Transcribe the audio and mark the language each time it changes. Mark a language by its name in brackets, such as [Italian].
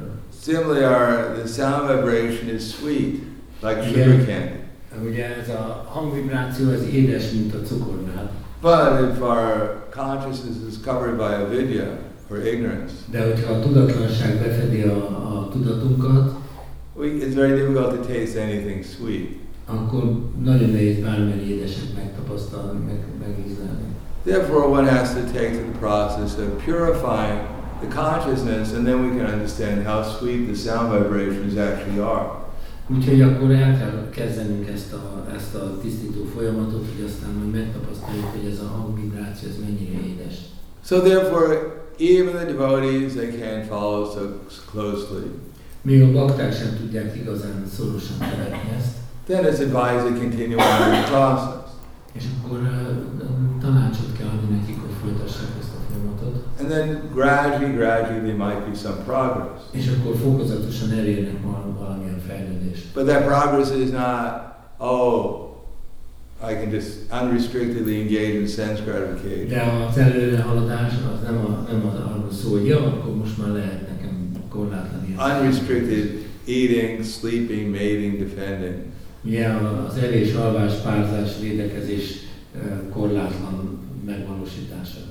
[English] Similarly, the sound vibration is sweet, like sugar candy. But if our consciousness is covered by avidya, or ignorance, [Hungarian] de hogyha a tudatlanság befedi a tudatunkat, [English] it's very difficult to taste anything sweet. [Hungarian] Akkor nagyon nehéz bármilyen édeset megtapasztalni, megízlelni. [English] Therefore, one has to take the process of purifying the consciousness, and then we can understand how sweet the sound vibrations actually are. [Hungarian] Úgyhogy akkor el kell kezdenünk ezt a tisztító folyamatot, hogy aztán majd megtapasztaljuk, hogy ez a hangvibráció ez mennyire édes. [English] So therefore, even the devotees, they can't follow so closely. [Hungarian] Még a bakták sem tudják igazán szorosan követni ezt. [English] Then it's advised to continue on the process. [Hungarian] És akkor tanácsot kell adni nekik, hogy folytassák ezt a folyamatot. [English] And then gradually there might be some progress. [Hungarian] És akkor fokozatosan elérnek valamilyen fejlődést. [English] But that progress is not, I can just unrestrictedly engage in sense gratification. [Hungarian] De az előrehaladás az nem az arról szól, hogy akkor most már lehet nekem korlátlan ilyen. [English] Unrestricted eating, sleeping, mating, defending. [Hungarian] Az evés, alvás, párzás, védekezés korlátlan megvalósítása.